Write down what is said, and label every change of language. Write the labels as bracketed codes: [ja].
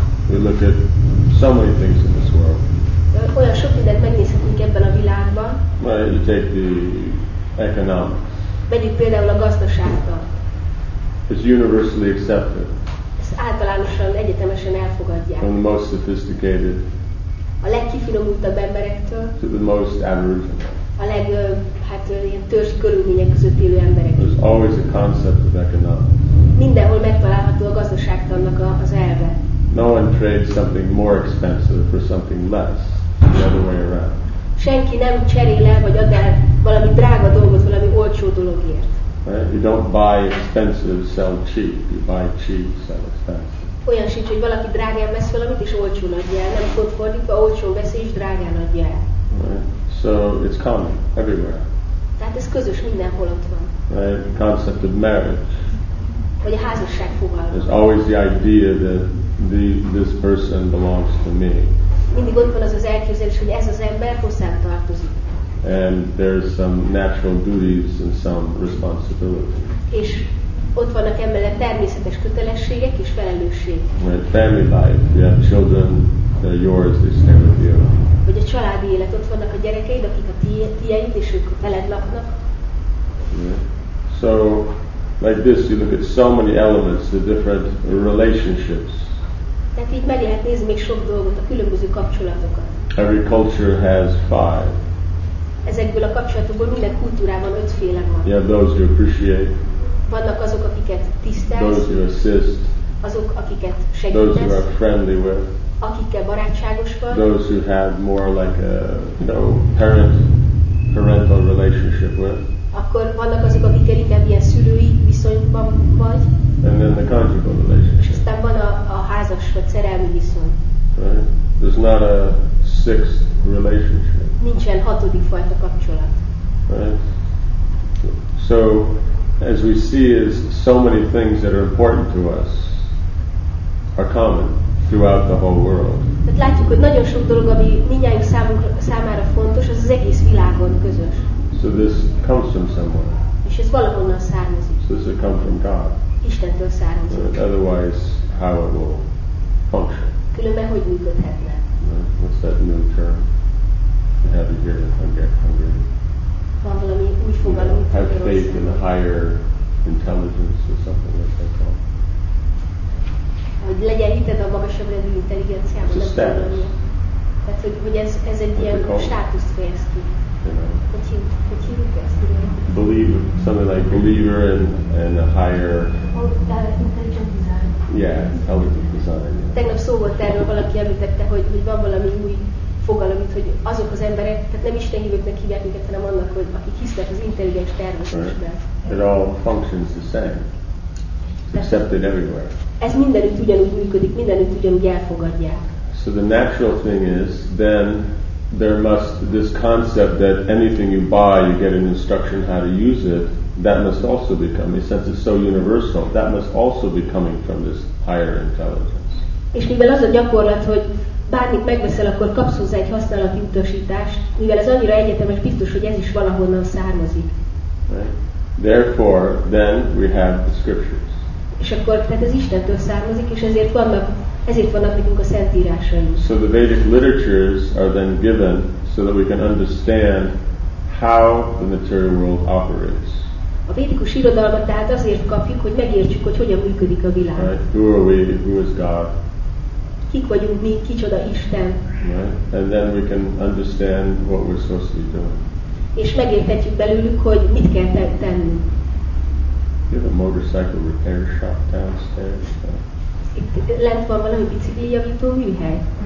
[en] We look at so many things in this world. [hu] Olyan sok mindent megnézhetünk ebben a világban. [en] Well, you take the economics. [hu] Vegyük például a gazdaságtan. [en] It's universally accepted. [hu] Ezt általánosan, egyetemesen elfogadják. [en] From the most sophisticated. [hu] A legkifinomultabb emberektől. [en] To the most average. [hu] A leg, ilyen törzs körülmények között élő emberektől. [en] There's always a concept of economics. [hu] Mindenhol megtalálható a gazdaságtannak az elve. [en] No one trades something more expensive for something less. The other way around. [hu] Senki nem cserél el vagy ad el valami drága dolgot valami olcsó dologért. [en] Right? You don't buy expensive, sell cheap. You buy cheap, sell expensive. [hu] Olyan sincs, hogy valaki drágán vesz valamit és olcsón adja el. Nem pont fordítva, olcsón vesz és drágán adja el. [en] Right? So it's common everywhere. [hu] Tehát ez közös mindenhol ott van. [en] Right? The concept of marriage. [hu] Vagy a házasság fogalma. [en] There's always the idea that this person belongs to me. [hu] Mindig ott van az az elképzelés, hogy ez az ember hozzám tartozik. [en] And there's some natural duties and some responsibility. [hu] És ott vannak emellett természetes kötelességek és felelősség. [en] Right, family life, you have children, they're yours, they stay with you. [hu] Vagy a családi élet, ott vannak a gyerekeid, akik a tiéd, és ők veled laknak. [en] Yeah. So, like this, you look at so many elements, the different relationships. [hu] Tehát így meg lehet nézni még sok dolgot, a különböző kapcsolatokat. [en] Every culture has five. [hu] Ezekből a kapcsolatokból minden kultúrában ötféle van. [en] You have those you appreciate. [hu] Vannak azok, akiket tisztelsz. [en] Those you assist. [hu] Azok, akiket segítesz. [en] Those you are friendly with. [hu] Akikkel barátságos vagy. [en] Those you have more like a, parental relationship with. [hu] Akkor vannak azok, akikkel inkább ilyen szülői viszonyban vagy. [en] And then the conjugal relationship. [hu] És aztán van a házas vagy szerelmi viszony. [en] Right? There's not a sixth relationship. [hu] Nincsen hatodik fajta kapcsolat. [en] Right? So, as we see, is so many things that are important to us are common throughout the whole world. [hu] Tehát látjuk, hogy nagyon sok dolog, ami mindjárt számára fontos, az az egész világon közös. [en] So this comes from somewhere. [hu] És ez valahonnan származik. [en] So this will come from God. [hu] Istentől származik. [en] But otherwise, how it will function. [hu] Különben hogy működhetne? [en] What's that new term? I have it here, hungry. [hu] Van valami új fogalom. [en] Have faith in a higher intelligence or something like that. [hu] Hogy legyen hited a magasabb rendű intelligenciában. [en] It's a status. [hu] Tehát, hogy ez egy ilyen státuszt fejez ki. [en] Yeah. Believer, something like believer and a higher. Intelligent design. Yeah, [hu] tegnap szó volt erről, valaki említette, hogy van valami új fogalom, hogy azok az emberek, tehát nem Isten hívőknek hívják minket, hanem annak, hogy akik hisznek az intelligens tervezésben. [en] Right. It all functions the same. Accepted everywhere. [hu] Ez mindenütt ugyanúgy működik, mindenütt ugyanúgy elfogadják. [en] So the natural thing is, then there must this concept that anything you buy, you get an instruction how to use it. That must also be coming, since it's so universal. That must also be coming from this higher intelligence. [hu] És mivel az a gyakorlat, hogy bármit megveszel, akkor kapsz hozzá egy használati utasítást, mivel ez annyira egyetemes, biztos, hogy ez is valahonnan származik. [en] Therefore, then we have the scriptures. [hu] És akkor, tehát ez Istentől származik, és ezért vannak. Ezért vannak nekünk a szentírásaink. [en] So the Vedic literatures are then given so that we can understand how the material world operates. [hu] A védikus irodalmat tehát azért kapjuk, hogy megértsük, hogy hogyan működik a világ. [en] Right. Who are we? Who is God? [hu] Kik vagyunk mi? Kicsoda Isten? [en] Right. And then we can understand what we're supposed to be doing. [hu] És megérthetjük belőlük, hogy mit kell tennünk. [en] You have a motorcycle repair shop downstairs. [hu] Itt lent van valami biciklijavító műhely.